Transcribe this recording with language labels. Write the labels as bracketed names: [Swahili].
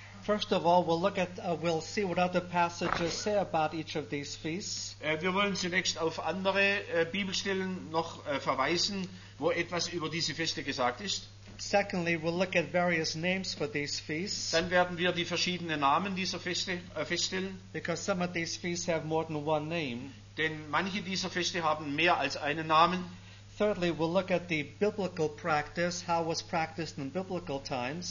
[English] First of all, we'll see what other passages say about each of these feasts. [German] Wir wollen zunächst auf andere Bibelstellen noch verweisen, wo etwas über diese Feste gesagt ist. [English] Secondly, we'll look at various names for these feasts. [German] Dann werden wir die verschiedenen Namen dieser Feste feststellen. [English] Because some of these feasts have more than one name. [German] Denn manche dieser Feste haben mehr als einen Namen. [English] Thirdly, we'll look at the biblical practice, how it was practiced in biblical times.